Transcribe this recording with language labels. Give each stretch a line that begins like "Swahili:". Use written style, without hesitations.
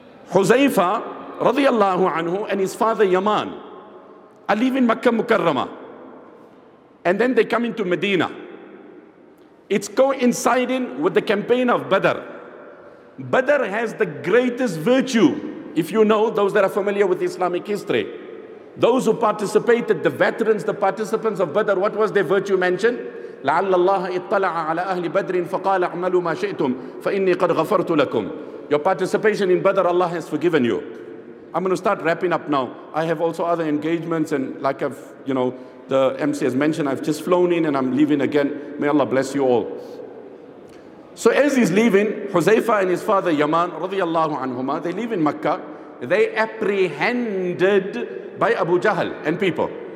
English: Huzaifa رضی اللہ عنہ and his father Yaman I live in Makkah Mukarramah and then they come into Medina it's coinciding with the campaign of Badr Badr has the greatest virtue. If you know, those that are familiar with Islamic history, those who participated, the veterans, the participants of Badr, what was their virtue mentioned?
Arabic: لَعَلَّ اللَّهَ اِطَّلَعَ عَلَىٰ أَهْلِ بَدْرٍ فَقَالَ اَعْمَلُوا مَا شَئْتُمْ فَإِنِّي قَدْ غَفَرْتُ لَكُمْ
English: Your participation in Badr, Allah has forgiven you. I'm going to start wrapping up now. I have also other engagements and like I've, you know, the MC has mentioned, I've just flown in and I'm leaving again. May Allah bless you all. So as he's leaving, Huzaifa and his father Yaman, radiallahu anhuma, they leave in Makkah. They apprehended by Abu Jahl and people.